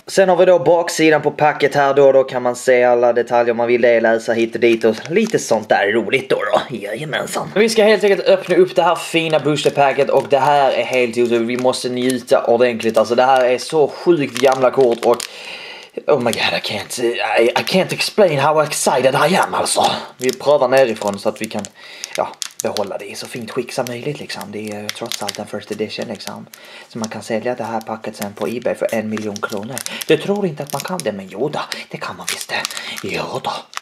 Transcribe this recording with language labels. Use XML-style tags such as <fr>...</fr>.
<sv>Sen har vi då baksidan på packet här då. Då kan man se alla detaljer man vill det, läsa hit och dit. Och lite sånt där roligt då. Jajamensan. Vi ska helt enkelt öppna upp det här fina boosterpacket. Och det här är helt otroligt. Vi måste njuta ordentligt. Alltså det här är så sjukt gamla kort. Och</sv> <en>oh my god, I can't explain how excited I am</en> <sv>alltså. Vi prövar nerifrån så att vi kan, ja, behålla det i så fint skick som möjligt liksom. Det är trots allt en first edition liksom. Så man kan sälja det här packet sen på eBay för 1 miljon kronor. Det tror inte att man kan det, men joda, det kan man visst det. Joda.</sv>